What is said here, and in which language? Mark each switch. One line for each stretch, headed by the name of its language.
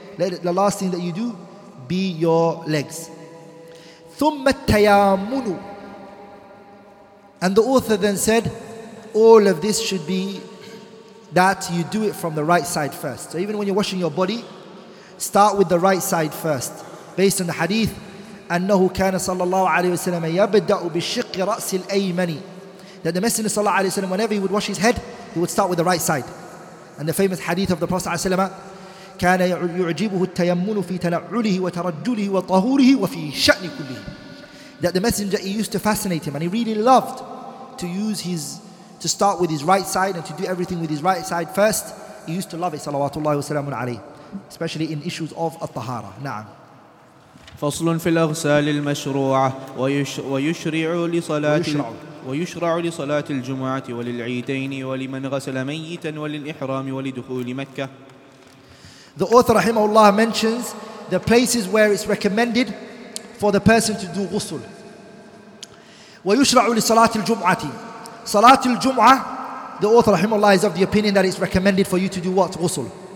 English: Let the last thing that you do be your legs.
Arabic: ثُمَّ التَّيَامُنُ.
English: And the author then said, all of this should be that you do it from the right side first. So even when you're washing your body, start with the right side first. Based on the hadith,
Arabic: أنه كان صلى الله عليه وسلم يبدأ بشق رأس الأيمن.
English: That the Messenger صلى الله عليه وسلم, whenever he would wash his head, he would start with the right side. And the famous hadith of the Prophet صلى الله عليه وسلم,
Arabic: كان يعجبه التيمن في تنعله وترجله وطهوره وفي شأن كله.
English: That the Messenger, he used to fascinate him and he really loved to use his to start with his right side and to do everything with his right side first. He used to love it,
Arabic: salawatullahi wa salamun alayhi,
English: especially in issues of at-tahara. Na'am.
Arabic: فصل في الأغسال المشروعة ويشرع لصلاة الجمعة وللعيدين ولمن غسل ميتا وللإحرام ولدخول مكة.
English: The author rahimahullah mentions the places where it's recommended for the person to do ghusl.
Arabic: ويشرع لصلاة الجمعة.
English: صلاة الجمعة, the author rahimahullah is of the opinion that it's recommended for you to do what? Ghusl.